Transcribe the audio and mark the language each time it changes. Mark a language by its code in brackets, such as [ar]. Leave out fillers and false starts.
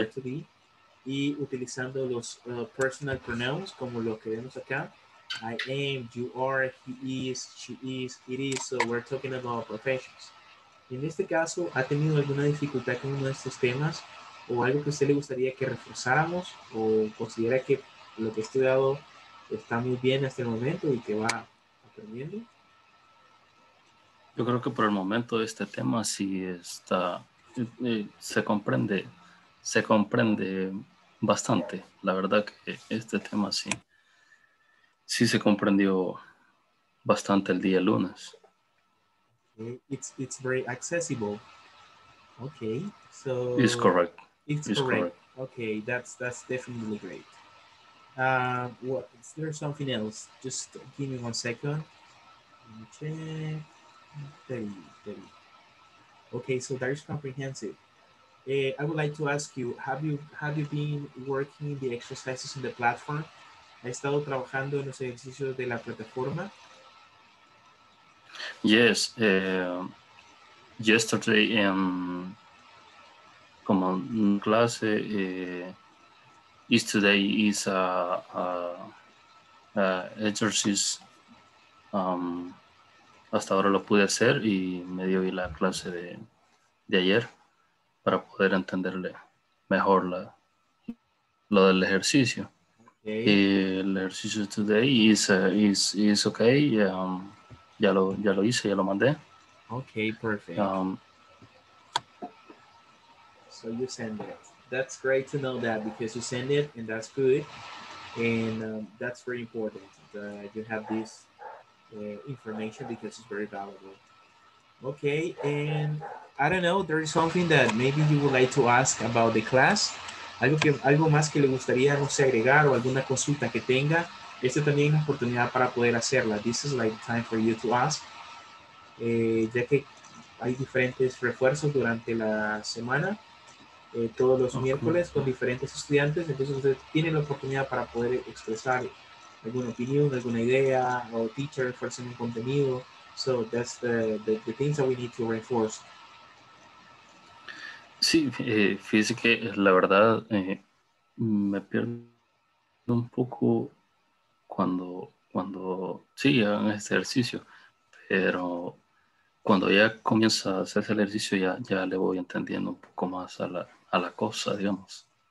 [es] el verbo to be, y utilizando los personal pronouns, como lo que vemos acá. [en] I am, you are, he is, she is, it is. So we're talking about professions. [es] En este caso, ¿ha tenido alguna dificultad con uno de estos temas? ¿O algo que a usted le gustaría que reforzáramos? ¿O considera que lo que he estudiado está muy bien hasta el momento y que va aprendiendo? Yo creo que por el momento este tema sí está, se comprende bastante. La verdad que este tema sí se comprendió bastante el día lunes. [en] It's very accessible. Okay, so... It's correct. Okay, that's definitely great. What is there something else? Just give me 1 second. Let me check. There. Okay, so that is comprehensive. I would like to ask you, have you been working the exercises in the platform? [es] ¿Ha estado trabajando en los ejercicios de la plataforma? [en] Yes. Yesterday [es] como clase, [en] today is a exercise. [es] Hasta ahora lo pude hacer y me dio la clase de ayer para poder entenderle mejor lo del ejercicio. [en] Okay. [es] El ejercicio [en] today is okay. [es] Ya lo hice, ya lo mandé. [en] Okay, perfect. So you send it. That's great to know that, because you send it and that's good. And that's very important that you have this information, because it's very valuable. Okay, and I don't know, there is something that maybe you would like to ask about the class. [es] Algo más que le gustaría, no sé, agregar, o alguna consulta que tenga. Esta también es una oportunidad para poder hacerla. [en] This is like time for you to ask. [es] Ya que hay diferentes refuerzos durante la semana, todos los miércoles con diferentes estudiantes. Entonces, usted tiene la oportunidad para poder expresar alguna opinión, alguna idea, o teacher refuerzan un contenido. [en] So, that's the things that we need to reinforce. [es] Sí, fíjese que la verdad me pierdo un poco cuando sí, hago este ejercicio, pero cuando ya comienza a hacer el ejercicio ya le voy entendiendo un poco más a la cosa, digamos.